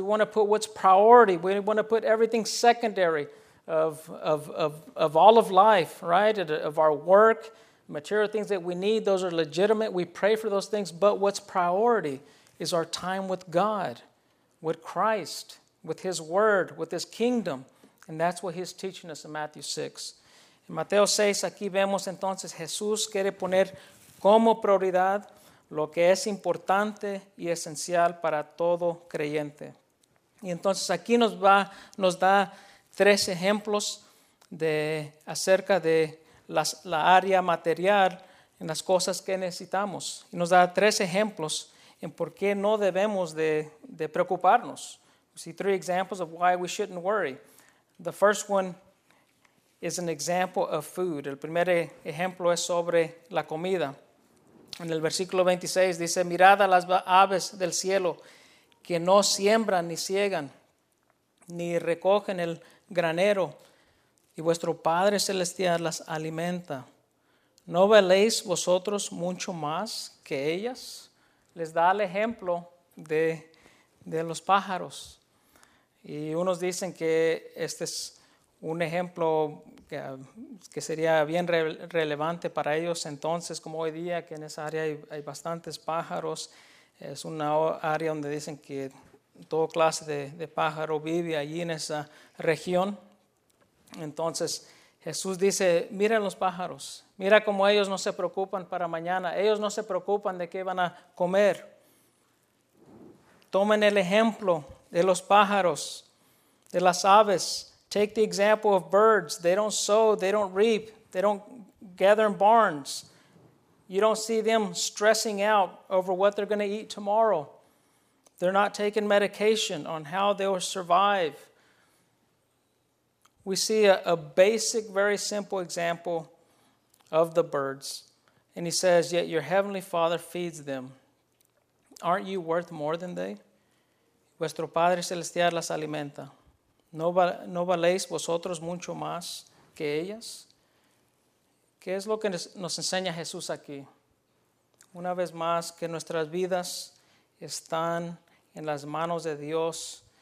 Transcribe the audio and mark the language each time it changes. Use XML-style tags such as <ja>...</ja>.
<en>We want to put what's priority. We want to put everything secondary of all of life, right? Of our work, material things that we need, those are legitimate. We pray for those things, but what's priority is our time with God, with Christ, with His Word, with His kingdom. And that's what He's teaching us in Matthew 6.</en> <es>En Mateo 6, aquí vemos entonces Jesús quiere poner como prioridad lo que es importante y esencial para todo creyente. Y entonces aquí nos da tres ejemplos acerca de la área material en las cosas que necesitamos. Y nos da tres ejemplos en por qué no debemos de preocuparnos.</es> <en>We see three examples of why we shouldn't worry. The first one is an example of food.</en> <es>El primer ejemplo es sobre la comida. En el versículo 26 dice, mirad a las aves del cielo que no siembran ni siegan ni recogen el granero, y vuestro Padre Celestial las alimenta. ¿No valéis vosotros mucho más que ellas? Les da el ejemplo de los pájaros. Y unos dicen que este es un ejemplo que sería bien relevante para ellos entonces, como hoy día, que en esa área hay bastantes pájaros. Es una área donde dicen que toda clase de pájaro vive allí en esa región. Entonces Jesús dice, mira los pájaros, mira cómo ellos no se preocupan para mañana, ellos no se preocupan de qué van a comer. Tomen el ejemplo de los pájaros, de las aves.</es> <en>Take the example of birds. They don't sow, they don't reap, they don't gather in barns. You don't see them stressing out over what they're going to eat tomorrow. They're not taking medication on how they will survive. We see a basic, very simple example of the birds. And he says, yet your heavenly Father feeds them. Aren't you worth more than they?</en> <es>Vuestro Padre Celestial las alimenta. ¿No valéis vosotros mucho más que ellas? ¿Qué es lo que nos enseña Jesús aquí? Una vez más, que nuestras vidas están en las manos de Dios.</es>